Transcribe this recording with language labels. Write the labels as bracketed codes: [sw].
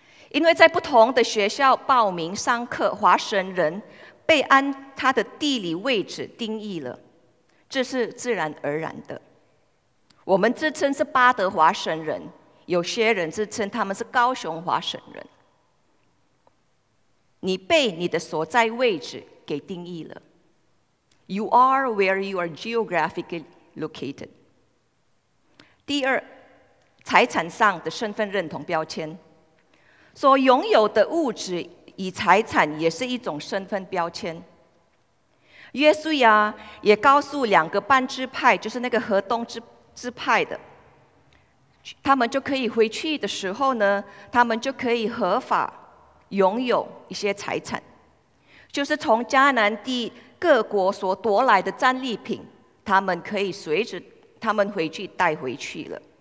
[zh] 因为在不同的学校报名上课，华神人被按他的地理位置定义了，这是自然而然的。我们自称是巴德华神人，有些人自称他们是高雄华神人。你被你的所在位置给定义了， [en] You are where you are geographically located。 [zh] 第二，财产上的身份认同标签，所拥有的物质与财产也是一种身份标签。约书亚也告诉两个半支派，就是那个河东支派的，他们就可以回去的时候呢，他们就可以合法拥有一些财产，就是从迦南地各国所夺来的战利品，他们可以随着他们回去带回去了。